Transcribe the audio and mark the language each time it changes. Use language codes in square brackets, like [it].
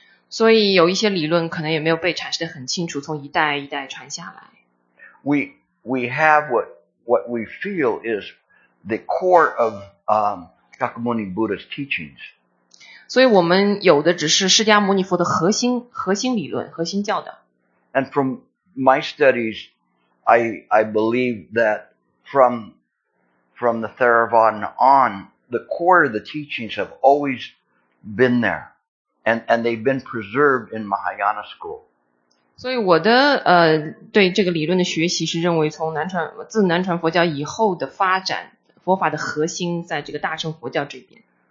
[zh] 所以有一些理论可能也没有被阐释得很清楚，从一代一代传下来。 [en] We have what we feel is the core of Shakyamuni Buddha's teachings. [zh] 所以我们有的只是释迦牟尼佛的核心理论，核心教导。 [en] And from my studies, I believe that from the Theravadin on, the core of the teachings have always been there, and they've been preserved in Mahayana school. [zh] 所以我的对这个理论的学习是认为从南传佛教以后的发展，佛法的核心在这个大乘佛教这边。